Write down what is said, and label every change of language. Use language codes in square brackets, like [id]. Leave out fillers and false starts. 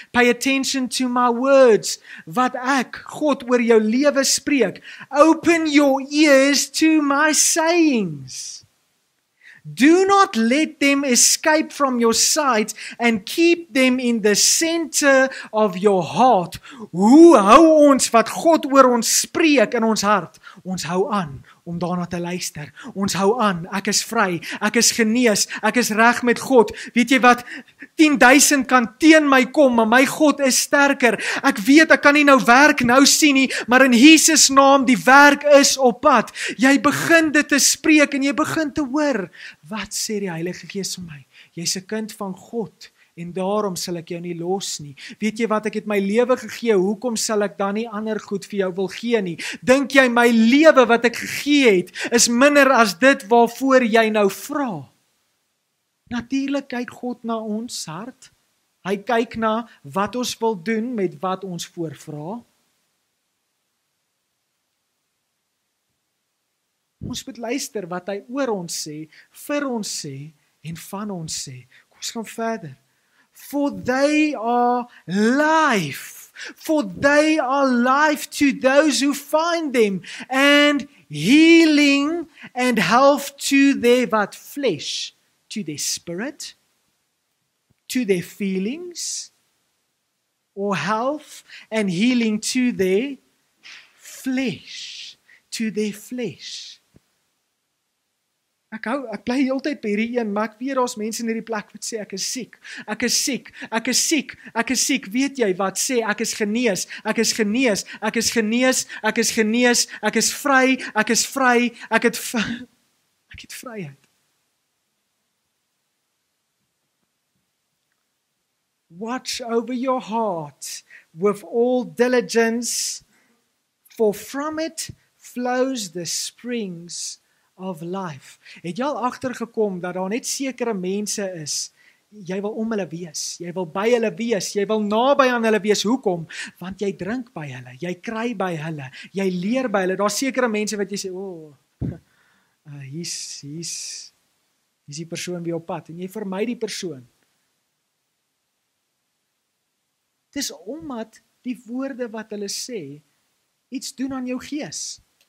[en] Pay attention to my words, [af] wat ek, God, oor jou lewe spreek. [en] Open your ears to my sayings. Do not let them escape from your sight and keep them in the center of your heart. [af] Hoe hou ons wat God oor ons spreek in ons hart? Ons hou aan om daarna te luister. Ons hou aan, ek is vry, ek is genees, ek is reg met God. Weet jy wat, 10,000 kan teen my kom, maar my God is sterker. Ek weet, ek kan nie nou werk nou sien nie, maar in Jesus naam, die werk is op pad. Jy begin dit te spreek en jy begin te hoor, wat sê die Heilige Gees vir my? Jy is 'n kind van God. En daarom sal ek jou nie los nie. Weet jy wat, ek het my lewe gegee, hoekom sal ek dan nie ander goed vir jou wil gee nie? Dink jy my lewe wat ek gegee het, is minder as dit waarvoor jy nou vra? Natuurlik kyk God na ons hart. Hy kyk na wat ons wil doen met wat ons voorvra. Ons moet luister wat hy oor ons sê, vir ons sê en van ons sê. Kom ons gaan verder. [en] For they are life, for they are life to those who find them, and healing and health to their what, flesh, to their spirit, to their feelings, or health and healing to their flesh, to their flesh. [af] Ek bly heeltyd by hierdie een, maar ek weet daar's mense in hierdie plek wat sê ek is siek. Ek is siek. Ek is siek. Ek is siek. Weet jy wat sê ek is genees? Ek is genees. Ek is genees. Ek is genees. Ek is vry. Ek is vry. Ek het vryheid. [en] Watch over your heart with all diligence, for from it flows the springs of life. [af] Het jy al agtergekom dat daar net sekere mense is, jy wil om hulle wees, jy wil by hulle wees, jy wil naby aan hulle wees, hoekom? Want jy drink by hulle, jy kry by hulle, jy leer by hulle, daar sekere mense wat jy sê, hier is die persoon by jou pad, en jy vermy die persoon. Het is omdat die woorde wat hulle sê, iets doen aan jou gees.